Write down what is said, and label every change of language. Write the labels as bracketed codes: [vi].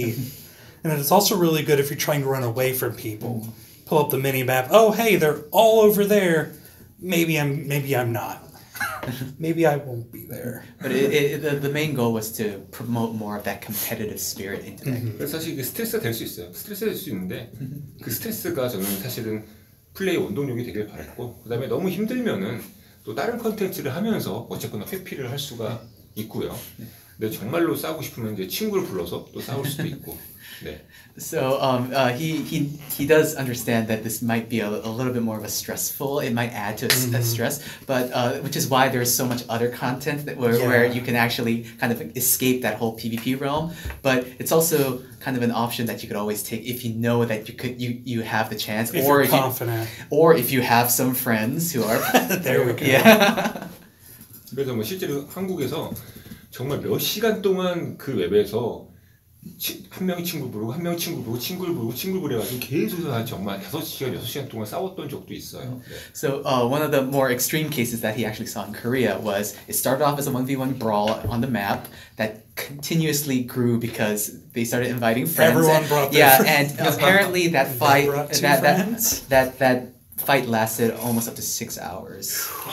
[en] And it's also really good if you're trying to run away from people. Pull up the mini map. Oh, hey, they're all over there. Maybe I'm not. Maybe I won't be there. But the main goal was to promote more of that competitive spirit into that game. [ko] 사실 그 스트레스가 될 수 있어요. 스트레스가 될 수 있는데 그 스트레스가 저는 사실은 플레이 원동력이 되길 바랬고 그 다음에 너무 힘들면은 또 다른 컨텐츠를 하면서 어쨌거나 회피를 할 수가 있고요. 근데 정말로 싸우고 싶으면 이제 친구를 불러서 또 싸울 수도 있고. 네. [en] So he does understand that this might be a little bit more of a stressful. It might add to a stress, but which is why there's so much other content that where you can actually kind of escape that whole PvP realm. But it's also kind of an option that you could always take if you know that you have the chance, or if you have some friends who are there. We go. Yeah. [ko] 그래서 뭐 실제로 한국에서 정말 몇 시간 동안 그 웹에서 한 명이 친구 부르고 한 명이 친구 부르고 친구를 부르고 친구를 부려가지고 계속해서 정말 5시간, 6시간 동안 싸웠던 적도 있어요. 네. [en] So one of the more extreme cases that he actually saw in Korea was it started off as a 1v1 brawl on the map that continuously grew because they started inviting friends. Everyone and, brought their yeah, friends. And apparently that fight that fight lasted almost up to 6 hours.